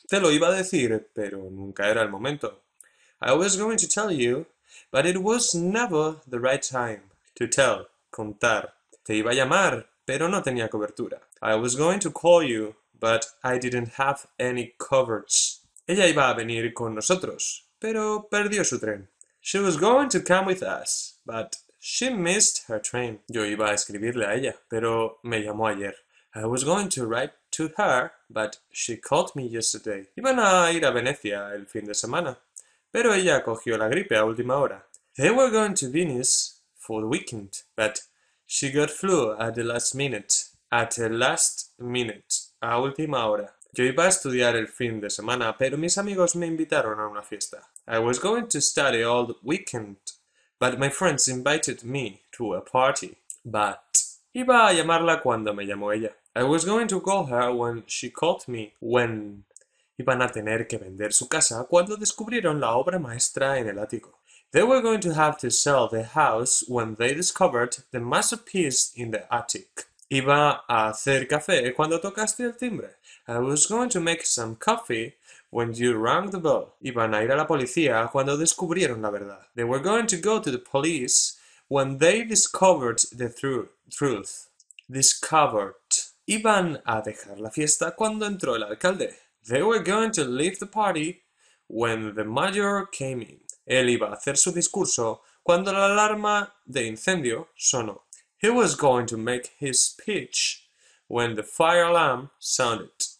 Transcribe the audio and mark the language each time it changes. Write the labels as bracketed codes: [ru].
[es] Te lo iba a decir, pero nunca era el momento. [en] I was going to tell you, but it was never the right time to tell, contar. [es] Te iba a llamar, pero no tenía cobertura. [en] I was going to call you, but I didn't have any coverage. [es] Ella iba a venir con nosotros, pero perdió su tren. [en] She was going to come with us, but she missed her train. [es] Yo iba a escribirle a ella, pero me llamó ayer. [en] I was going to write to her, but she called me yesterday. [es] Iban a ir a Venecia el fin de semana, pero ella cogió la gripe a última hora. [en] They were going to Venice for the weekend, but she got flu at the last minute. At the last minute, [es] a última hora. Yo iba a estudiar el fin de semana, pero mis amigos me invitaron a una fiesta. [en] I was going to study all the weekend, but my friends invited me to a party. [es] But iba a llamarla cuando me llamó ella. [en] I was going to call her when she called me. [es] When iban a tener que vender su casa cuando descubrieron la obra maestra en el ático. [en] They were going to have to sell the house when they discovered the masterpiece in the attic. [es] Iba a hacer café cuando tocaste el timbre. [en] I was going to make some coffee when you rang the bell. [es] Iban a ir a la policía cuando descubrieron la verdad. [en] They were going to go to the police when they discovered the truth. Discovered. [es] Iban a dejar la fiesta cuando entró el alcalde. [en] They were going to leave the party when the mayor came in. [es] Él iba a hacer su discurso cuando la alarma de incendio sonó. [en] He was going to make his speech when the fire alarm sounded.